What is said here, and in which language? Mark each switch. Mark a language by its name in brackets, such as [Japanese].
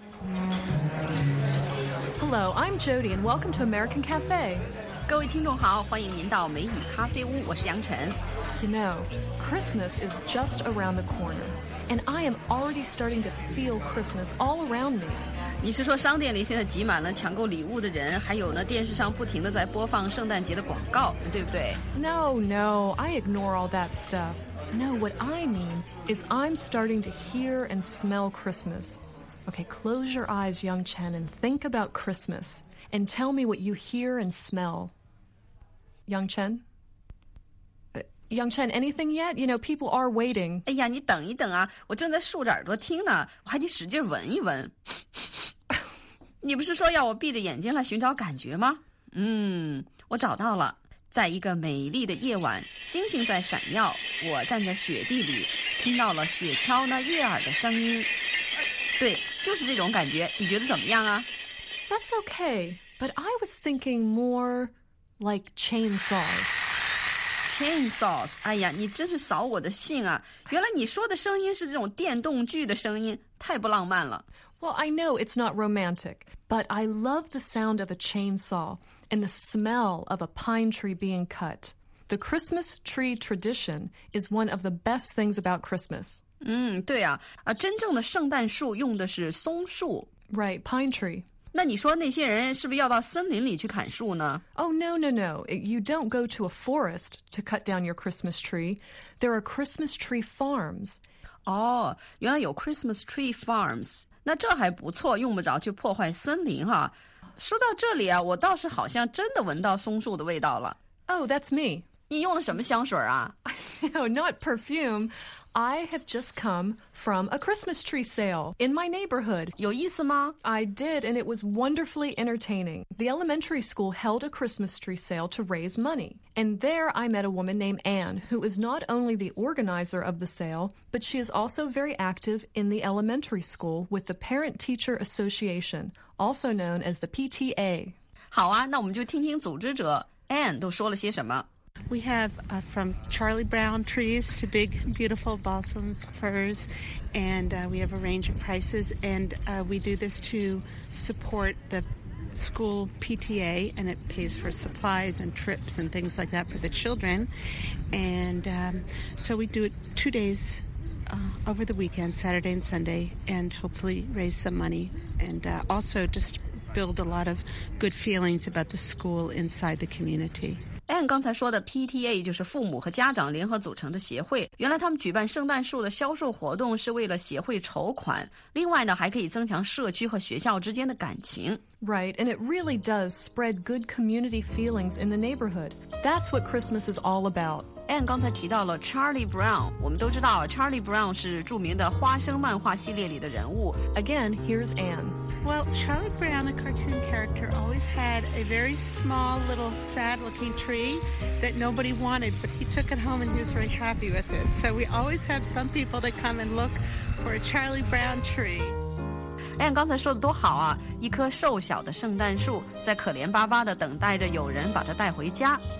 [English] Hello, I'm Jody, and welcome to American Cafe. [Chinese] 各位听众好，欢迎您到美语咖啡屋，我是杨晨。 [English] You know, Christmas is just around the corner, and I am already starting to feel Christmas all around me. [Chinese] 你是说商店里现在挤满了抢购礼物的人，还有呢，电视上不停地在播放圣诞节的广告，对不对？ [English] No, no, I ignore all that stuff. No, what I mean is I'm starting to hear and smell Christmas. Okay, close your eyes, Young Chen, and think about Christmas. And tell me what you hear and smell. Young Chen? Young Chen, anything yet? You know, people are waiting. [Chinese] 哎呀，你等一等啊，我正在竖着耳朵听呢，我还得使劲闻一闻。你不是说要我闭着眼睛来寻找感觉吗？我找到了。在一个美丽的夜晚，星星在闪耀，我站在雪地里，听到了雪橇那悦耳的声音。对，就是这种感觉，你觉得怎么样啊？ [English] That's okay, but I was thinking more like chainsaws. [Chinese] Chainsaws, 哎呀，你真是扫我的兴啊。原来你说的声音是这种电动锯的声音，太不浪漫了。 [English] Well, I know it's not romantic, but I love the sound of a chainsaw and the smell of a pine tree being cut. The Christmas tree tradition is one of the best things about Christmas. [Chinese] 对啊，真正的圣诞树用的是松树。 [English] Right, pine tree. [Chinese] 那你说那些人是不是要到森林里去砍树呢？ [English] Oh, no, no, no. You don't go to a forest to cut down your Christmas tree. There are Christmas tree farms. [Chinese] 哦，原来有 [English] Christmas tree farms. [Chinese] 那这还不错，用不着去破坏森林哈。说到这里啊，我倒是好像真的闻到松树的味道了。 [English] Oh, that's me. [Chinese] 你用了什么香水啊？ [English] No, not perfume. I have just come from a Christmas tree sale in my neighborhood. [Chinese] 有意思吗? [English] I did, and it was wonderfully entertaining. The elementary school held a Christmas tree sale to raise money. And there I met a woman named Anne, who is not only the organizer of the sale, but she is also very active in the elementary school with the Parent Teacher Association, also known as the PTA. [Chinese] 好啊,那我们就听听组织者 Anne 都说了些什么。 [English] We have from Charlie Brown trees to big, beautiful balsams, firs, and we have a range of prices. And we do this to support the school PTA, and it pays for supplies and trips and things like that for the children. And so we do it 2 days over the weekend, Saturday and Sunday, and hopefully raise some money. And also just build a lot of good feelings about the school inside the community. [Chinese] Anne 刚才说的 PTA 就是父母和家长联合组成的协会，原来他们举办圣诞树的销售活动是为了协会筹款，另外呢还可以增强社区和学校之间的感情。 [English] Right, and it really does spread good community feelings in the neighborhood. That's what Christmas is all about. [Chinese] Anne 刚才提到了 Charlie Brown, 我们都知道 Charlie Brown 是著名的花生漫画系列里的人物。 [English] Again, here's Anne Well, Charlie Brown, the cartoon character, always had a very small, little, sad-looking tree that nobody wanted, but he took it home and he was very happy with it. So we always have some people that come and look for a Charlie Brown tree. [Chinese] Anne 刚才说的多好啊，一棵瘦小的圣诞树在可怜巴巴地等待着有人把它带回家。